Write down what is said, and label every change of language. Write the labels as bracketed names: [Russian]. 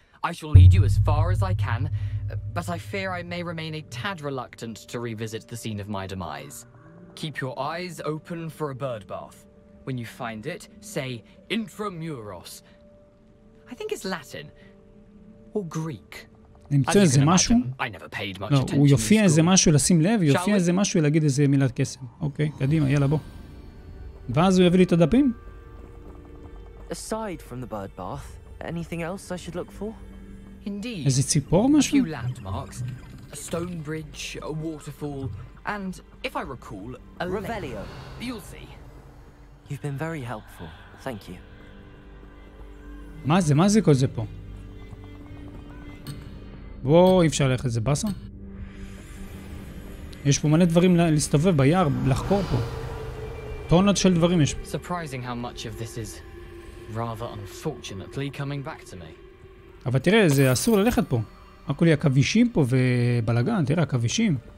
[English] I shall lead you as far as I can, but I fear I may remain a tad reluctant to revisit the scene of my demise. Keep your eyes open for a birdbath. When you find it, say intramuros. I think it's Latin or Greek. [Hebrew] נמצא איזה משהו? [English] I never paid much attention. [Hebrew] הוא יופיע איזה משהו לשים לב, יופיע איזה משהו להגיד איזה מילת קסם. אוקיי, קדימה, יאללה בוא. ואז הוא יביא לי את הדפים? [English] Aside from the bird bath, anything else I should look for? Indeed. [Hebrew] איזה ציפור משהו? [English] A few landmarks, a stone bridge, a waterfall, and if I recall, a revelio. You'll see. You've been very helpful. Thank you. [Hebrew] מה זה? מה זה כל זה פה? בואו, אי אפשר ללכת, זה בסה? יש פה מלא דברים להסתובב ביער, לחקור פה. טונות של דברים יש. [English] Surprising how much of this is rather unfortunately coming back to me. [Hebrew] אבל תראה, זה אסור ללכת פה. הכל הכבישים פה ובלגן, תראה, הכבישים.